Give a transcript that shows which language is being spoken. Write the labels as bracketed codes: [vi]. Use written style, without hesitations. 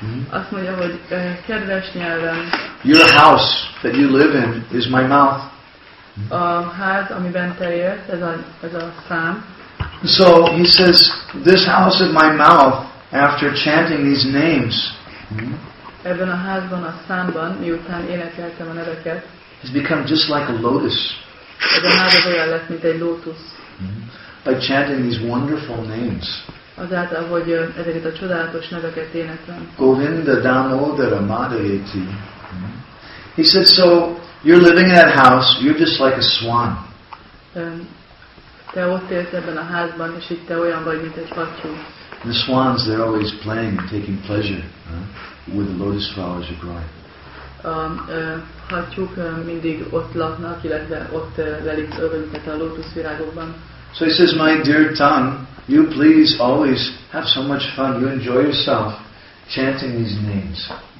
[hu] azt mondja, hogy kedves nyelvem, [en] your house that you live in is my mouth. [hu] A ház, amiben te élsz, ez a szám. [en] So he says, this house of my mouth, after chanting these names, [hu] ebben a házban, a számban, miután énekeltem a neveket, [en] has become just like a lotus. [hu] Ez a ház olyan lett, mint egy lótusz. [en] By chanting these wonderful names. [hu] Azáltal, hogy ezeket a csodálatos neveket énekelem. [en] Govinda Damodara Madhayeti. He said, so you're living in that house, you're just like a swan. [hu] Te ott élsz ebben a házban, és itt te olyan vagy, mint egy patyú. [en] The swans, they're always playing, taking pleasure, with the lotus flowers you're growing. [hu] Hattyúk mindig ott laknak, illetve ott velik örömüket a lótuszvirágokban. [en] So he says, my dear tongue, you please always have so much fun, you enjoy yourself chanting these names.